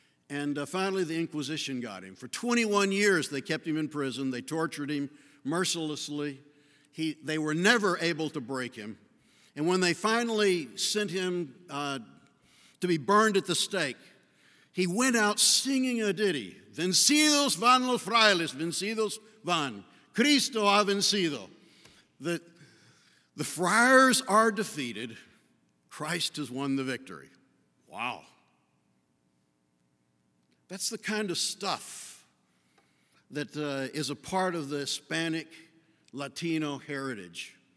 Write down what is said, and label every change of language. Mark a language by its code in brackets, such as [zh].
[en] And finally, the Inquisition got him. For 21 years, they kept him in prison. They tortured him mercilessly. They were never able to break him. And when they finally sent him to be burned at the stake, he went out singing a ditty. [es] Vencidos van los frailes, vencidos van. Cristo ha vencido. [en] The friars are defeated. Christ has won the victory. Wow. That's the kind of stuff that is a part of the Hispanic Latino heritage.